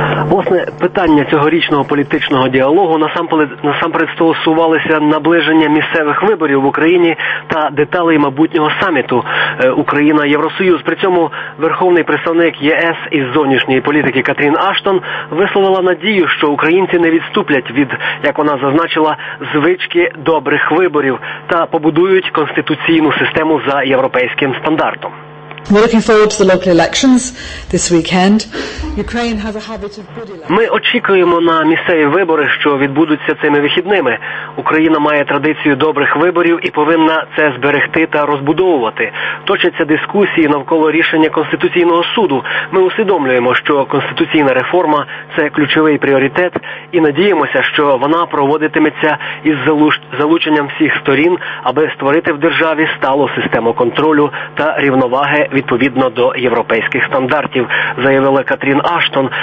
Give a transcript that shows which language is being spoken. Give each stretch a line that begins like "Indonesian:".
Ukrainian: Власне, питання цьогорічного політичного діалогу насамперед стосувалися наближення місцевих виборів в Україні та деталей майбутнього саміту Україна-Євросоюз. При цьому верховний представник ЄС із зовнішньої політики Катрін Аштон висловила надію, що українці не відступлять від, як вона зазначила, звички добрих виборів та побудують конституційну систему за європейським стандартом.
English: We're looking forward to the local elections this weekend. Ukraine has a habit of good elections.
Ukrainian: Ми очікуємо на місцеві вибори, що відбудуться цими вихідними. Україна має традицію добрих виборів і повинна це зберегти та розбудовувати. Точаться дискусії навколо рішення Конституційного суду. Ми усвідомлюємо, що конституційна реформа – це ключовий пріоритет, і надіємося, що вона проводитиметься із залученням всіх сторін, аби створити в державі сталу систему контролю та рівноваги відповідно до європейських стандартів, заявила Катрін Аштон.